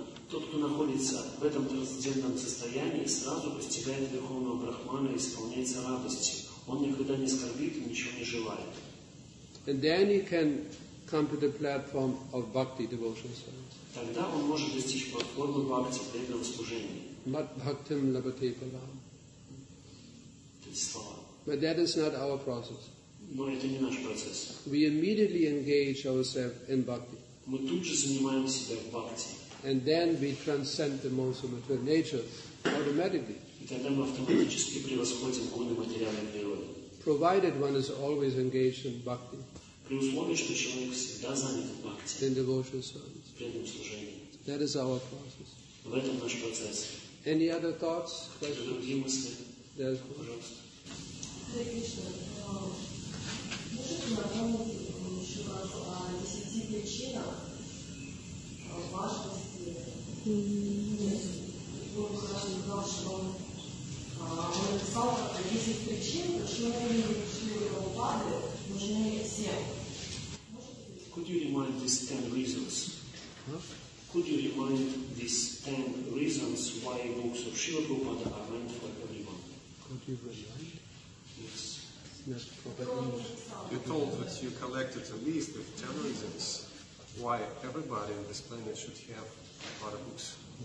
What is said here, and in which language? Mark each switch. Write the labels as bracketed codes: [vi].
[ru] Тот, кто находится в этом трансцендентном состоянии, сразу постигает Верховного Брахмана и исполняется радости. Он никогда не скорбит и ничего не желает. [en] And then he can come to the platform of bhakti devotional service. [ru] Тогда он может достичь платформы бхакти преданного служения. [sa] Mat bhaktim labhate param. [en] But that is not our process. [ru] Но это не наш процесс. [en] We immediately engage ourselves in bhakti. [ru] Мы тут же занимаем себя в бхакти. [en] And then we transcend the modes of material nature automatically. [ru] И тогда мы автоматически превосходим гуны материальной природы. [en] Provided one is always engaged in bhakti. [ru] При условии, что человек всегда занят в бхакти. [en] In devotional service. [ru] В преданном служении. [en] That is our process. [ru] В этом наш процесс. [en] Any other thoughts? Questions? Hare Krishna. [ru] Можете нам объяснить, какие еще десяти причинах важности? Он написал 10 причин, почему люди пришли в Прабхупады, нужны всем. [en] Could you remind these 10 reasons? Huh? Could you remind these 10 reasons why books of Srila Prabhupada are meant for everyone? Could you remind? Yes. You told that you collected a list of 10 reasons why everybody on this planet should have a lot of books.